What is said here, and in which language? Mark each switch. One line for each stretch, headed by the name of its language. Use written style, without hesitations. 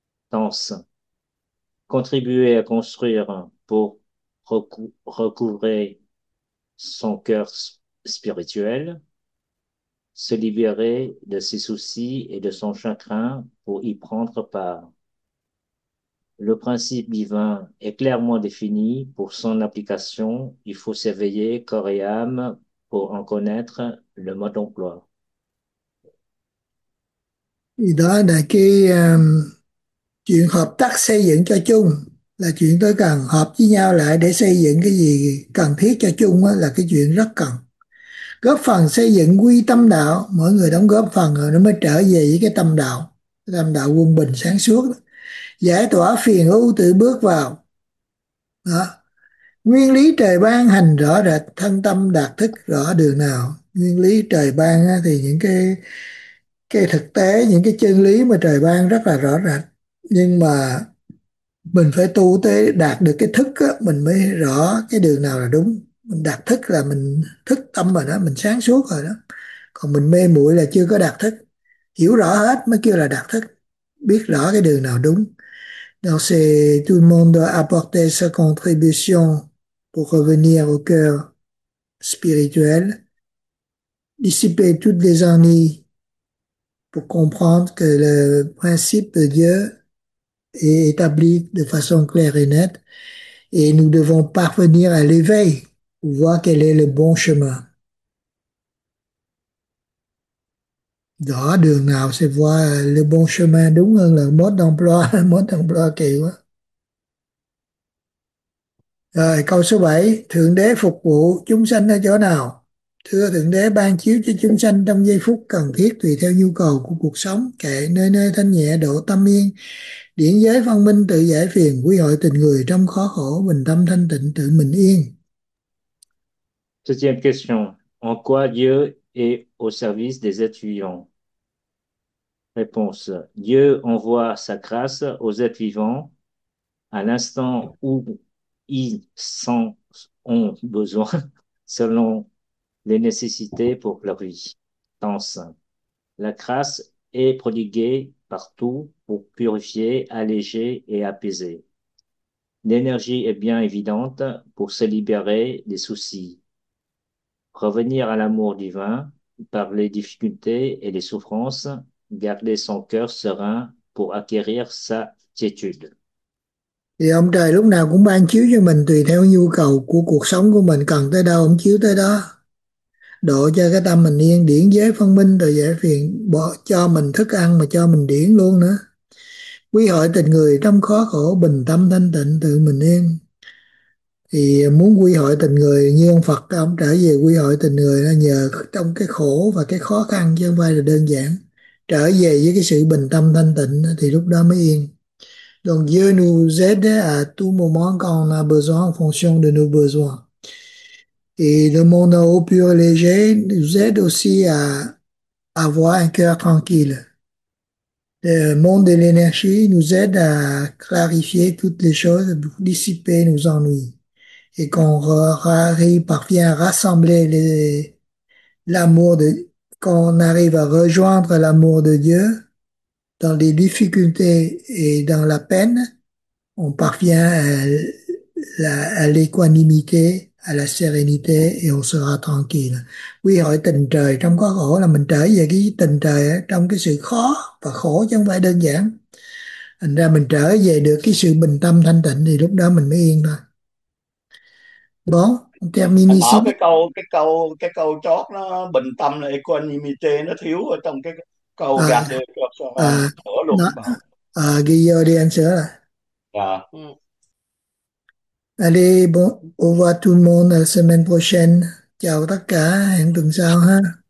French: Tense, contribuer à construire pour recouvrer son cœur spirituel, se libérer de ses soucis et de son chagrin pour y prendre part. Le principe divin est clairement défini. Pour son application, il faut s'éveiller corps et âme pour en connaître le mode d'emploi.
Vietnamese: Thì đó là cái chuyện hợp tác xây dựng cho chung là chuyện tôi cần, hợp với nhau lại để xây dựng cái gì cần thiết cho chung á, là cái chuyện rất cần. Góp phần xây dựng quy tâm đạo, mỗi người đóng góp phần rồi nó mới trở về với cái tâm đạo quân bình sáng suốt. Giải tỏa phiền ưu tự bước vào. Đó. Nguyên lý trời ban hành rõ rệt thân tâm đạt thức rõ đường nào. Nguyên lý trời ban á, thì những cái thực tế, những cái chân lý mà trời ban rất là rõ rệt, nhưng mà mình phải tu tới đạt được cái thức á, mình mới rõ cái đường nào là đúng. Mình đạt thức là mình thức tâm rồi đó, mình sáng suốt rồi đó, còn mình mê muội là chưa có đạt thức. Hiểu rõ hết mới kêu là đạt thức, biết rõ cái đường nào đúng.
French: Donc c'est tout le monde doit apporter sa contribution pour revenir au cœur spirituel, dissiper toutes les ennuis, pour comprendre que le principe de Dieu est établi de façon claire et nette, et nous devons parvenir à l'éveil pour voir quel est le bon chemin.
Vietnamese: Rõ đường nào,
French: c'est voir le bon chemin,
Vietnamese: đúng hơn là
French: mode d'emploi
Vietnamese: kỳ quá. Rồi, câu số 7, Thượng Đế phục vụ chúng sanh ở chỗ nào? Thưa Thượng Đế, ban chiếu cho chúng sanh trong giây phút cần thiết tùy theo nhu cầu của cuộc sống, kệ nơi nơi thanh nhẹ độ tâm yên, điển giới văn minh tự giải phiền, quy hội tình người trong khó khổ, bình tâm thanh tịnh tự mình yên.
French: Deuxième question, en quoi Dieu est au service des êtres vivants? Réponse, Dieu envoie sa grâce aux êtres vivants à l'instant où ils s'en ont besoin selon les nécessités pour leur vie. Tense, la grâce est prodiguée partout pour purifier, alléger et apaiser. L'énergie est bien évidente pour se libérer des soucis. Revenir à l'amour divin par les difficultés et les souffrances, garder son cœur serein pour acquérir sa quiétude.
Vietnamese: Thì ông trời lúc nào cũng ban chiếu cho mình tùy theo nhu cầu của cuộc sống của mình, cần tới đâu ông chiếu tới đó, độ cho cái tâm mình yên, điển giới phân minh rồi giải phiền, bỏ cho mình thức ăn mà cho mình điển luôn nữa, quy hội tình người trong khó khổ, bình tâm thanh tịnh tự mình yên. Thì muốn quy hội tình người như ông Phật, ông trở về quy hội tình người là nhờ trong cái khổ và cái khó khăn, chứ không phải là đơn giản. Trở về với cái sự bình tâm thanh tịnh thì lúc đó mới yên.
French: Donc Dieu nous aide à tout moment quand on a besoin en fonction de nos besoins. Et le monde à eau pure et léger nous aide aussi à avoir un cœur tranquille. Le monde de l'énergie nous aide à clarifier toutes les choses, dissiper nos ennuis. Et qu'on parvient à rassembler qu'on arrive à rejoindre l'amour de Dieu dans les difficultés et dans la peine, on parvient à l'équanimité, à la sérénité et on sera tranquille. Oui,
Vietnamese: hỏi tình trời trong quá khổ là mình trở về cái tình trời trong cái sự khó và khổ chứ không phải đơn giản. Thành ra mình trở về được cái sự bình tâm thanh tịnh thì lúc đó mình mới yên thôi.
French: Bon,
Vietnamese: Anh bảo termini cái câu chót nó bình tâm là equanimity nó thiếu ở trong cái câu gạt xin. được cho sửa luôn Đó, bảo. ghi vô đi anh sửa rồi.
French: Allez, bon, au revoir tout le monde la semaine prochaine.
Vietnamese: Chào tất cả, hẹn tuần sau ha.